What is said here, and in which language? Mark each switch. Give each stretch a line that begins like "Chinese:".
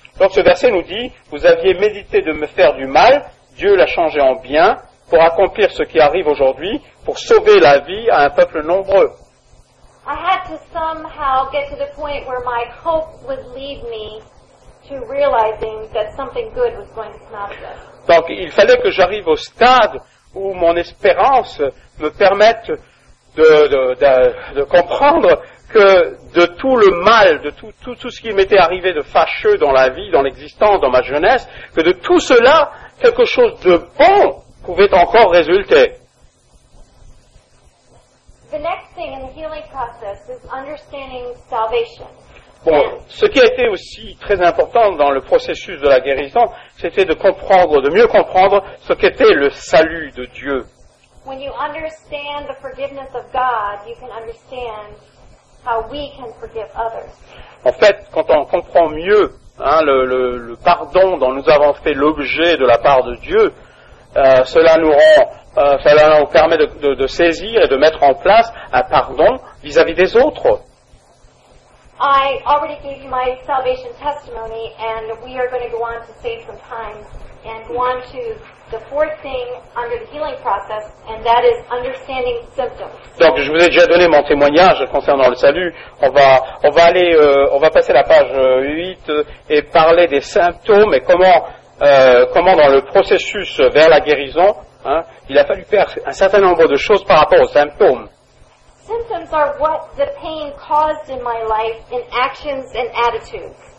French: donc ce verset nous dit, « Vous aviez médité de me faire du mal, Dieu l'a changé en bien, pour accomplir ce qui arrive aujourd'hui, pour sauver la vie à un peuple nombreux. »
English: I had to somehow get to the point where my hope would lead me to realizing that something good was going to come out of this.
French: Donc, il fallait que j'arrive au stade où mon espérance me permette de comprendre que de tout le mal, de tout ce qui m'était arrivé de fâcheux dans la vie, dans l'existence, dans ma jeunesse, que de tout cela, quelque chose de bon pouvait encore résulter.
English: The next thing in the healing process is understanding salvation.
French: Bon, ce qui a été aussi très important dans le processus de la guérison, c'était de mieux comprendre ce qu'était le salut de Dieu.
English: When you understand the forgiveness of God, you can understand how we can forgive others.
French: En fait, quand on comprend mieux hein, le pardon dont nous avons fait l'objet de la part de Dieu, cela nous rend, cela nous permet de saisir et de mettre en place un pardon vis-à-vis des autres.
English: I already gave you my salvation testimony, and we are going to go on to save some time and go on to the fourth thing under the healing process, and that is understanding symptoms.
French: Donc, je vous ai déjà donné mon témoignage concernant le salut. On va passer la page 8 et parler des symptômes et comment dans le processus vers la guérison, hein, il a fallu faire un certain nombre de choses par rapport aux symptômes.
English: Symptoms are what the pain caused in my life in actions and attitudes.